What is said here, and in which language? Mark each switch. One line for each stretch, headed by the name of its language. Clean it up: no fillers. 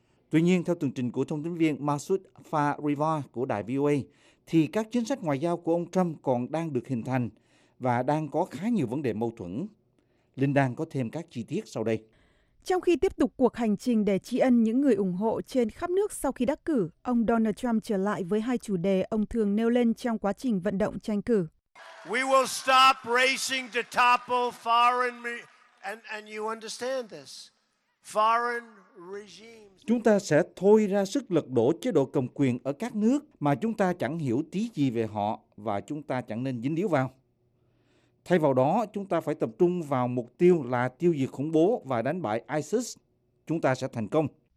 Vietnamese: Tuy nhiên, theo tường trình của thông tấn viên Masood Farivar của đài VOA, thì các chính sách ngoại giao của ông Trump còn đang được hình thành và đang có khá nhiều vấn đề mâu thuẫn. Linh Đan có thêm các chi tiết sau đây. Trong khi tiếp tục cuộc hành trình để tri ân những người ủng hộ trên khắp nước sau khi đắc cử, ông Donald Trump trở lại với hai chủ đề ông thường nêu lên trong quá trình vận động tranh cử.
English: We will stop racing to topple foreign and you understand this. Foreign regimes.
Vietnamese: Chúng ta sẽ thôi ra sức lật đổ chế độ cầm quyền ở các nước mà chúng ta chẳng hiểu tí gì về họ và chúng ta chẳng nên dính líu vào. Thay vào đó, chúng ta phải tập trung vào mục tiêu là tiêu diệt khủng bố và đánh bại ISIS. Chúng ta sẽ thành công.